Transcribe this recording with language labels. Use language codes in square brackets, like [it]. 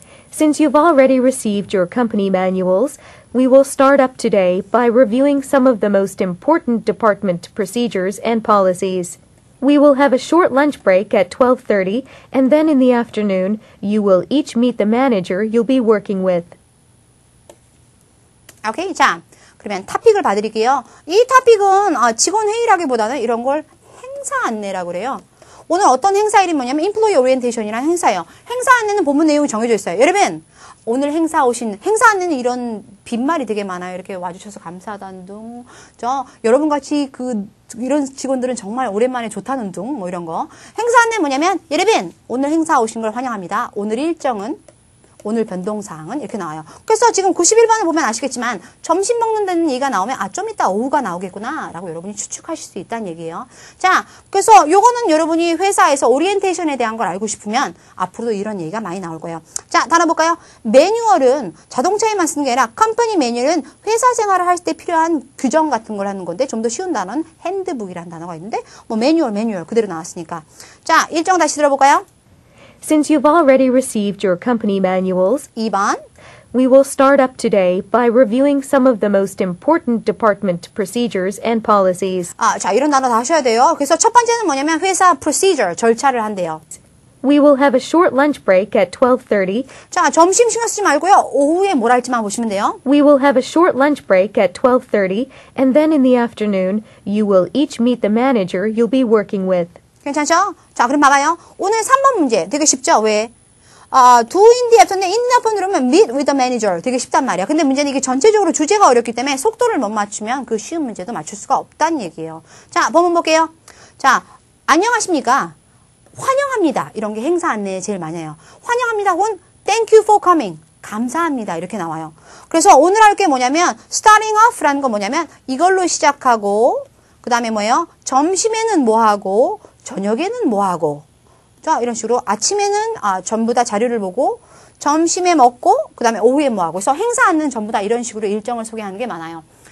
[en] Since you've already received your company manuals, we will start up today by reviewing some of the most important department procedures and policies. We will have a short lunch break at 12:30, and then in the afternoon, you will each meet the manager you'll be working with. [ko] Okay, 자, 그러면 토픽을 봐드릴게요. 이 토픽은 직원 회의라기보다는 이런 걸 행사 안내라고 그래요. 오늘 어떤 행사 이름이 뭐냐면 Employee Orientation이라는 행사예요. 행사 안내는 본문 내용이 정해져 있어요. 여러분, 오늘 행사 오신, 행사 안내는 이런 빈말이 되게 많아요. 이렇게 와주셔서 감사하다는 둥. 저 여러분 같이 그 이런 직원들은 정말 오랜만에 좋다는 둥 뭐 이런 거. 행사 안내 뭐냐면 여러분 오늘 행사 오신 걸 환영합니다. 오늘 일정은 오늘 변동사항은 이렇게 나와요. 그래서 지금 91번을 보면 아시겠지만 점심 먹는다는 얘기가 나오면 아 좀 이따 오후가 나오겠구나 라고 여러분이 추측하실 수 있다는 얘기예요. 자 그래서 요거는 여러분이 회사에서 오리엔테이션에 대한 걸 알고 싶으면 앞으로도 이런 얘기가 많이 나올 거예요. 자 단어 볼까요? 매뉴얼은 자동차에만 쓰는 게 아니라 컴퍼니 매뉴얼은 회사 생활을 할 때 필요한 규정 같은 걸 하는 건데 좀 더 쉬운 단어는 핸드북이라는 단어가 있는데 뭐 매뉴얼 그대로 나왔으니까 자 일정 다시 들어볼까요? [en] Since you've already received your company manuals, [ko] 2번. [en] We will start up today by reviewing some of the most important department procedures and policies. [ko] 아, 자, 이런 단어 다 하셔야 돼요. 그래서 첫 번째는 뭐냐면 회사 procedure, 절차를 한대요. [en] We will have a short lunch break at 12:30. [ko] 자, 점심 신경 쓰지 말고요. 오후에 뭘 할지만 보시면 돼요. [en] We will have a short lunch break at 12:30 and then in the afternoon, you will each meet the manager you'll be working with. [ko] 괜찮죠? 자, 그럼 봐봐요. 오늘 3번 문제 되게 쉽죠? 왜? [en] Do in the afternoon, in the afternoon 그러면 meet with the manager 되게 쉽단 말이야. [ko] 근데 문제는 이게 전체적으로 주제가 어렵기 때문에 속도를 못 맞추면 그 쉬운 문제도 맞출 수가 없다는 얘기예요. 자, 본문 볼게요. 자, 안녕하십니까? 환영합니다. 이런 게 행사 안내에 제일 많이 해요. [en] 환영합니다 혹은 thank you for coming. [ko] 감사합니다. 이렇게 나와요. 그래서 오늘 할 게 뭐냐면 starting off라는 거 뭐냐면 이걸로 시작하고 그 다음에 뭐예요? 점심에는 뭐하고 저녁에는 뭐하고 자 이런 식으로 아침에는 전부 다 자료를 보고 점심에 먹고 그 다음에 오후에 뭐하고 그래서 행사 안내는 전부 다 이런 식으로 일정을 소개하는 게 많아요.